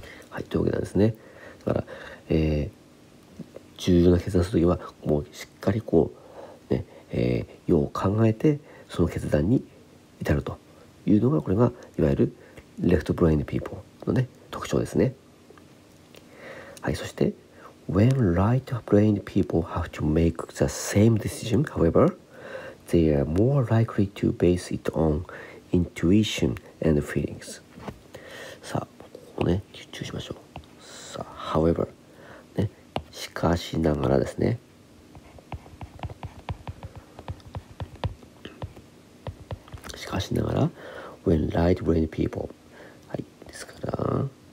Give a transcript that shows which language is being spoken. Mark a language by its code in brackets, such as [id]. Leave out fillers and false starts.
[ja] はい、というわけなんですね。だから、重要な決断するときはもうしっかりこうね、よう考えてその決断に至るというのが、これがいわゆるレフトブレインピーポーのね、特徴ですね。はい、そして [en] When right brain people have to make the same decision, however, they are more likely to base it on intuition and feelings。 [ja] さあ、ここね、集中しましょう。さあ、however、ね、しかしながらですね、しかしながら、 [en] when light-brained people、 [ja] はい、ですから、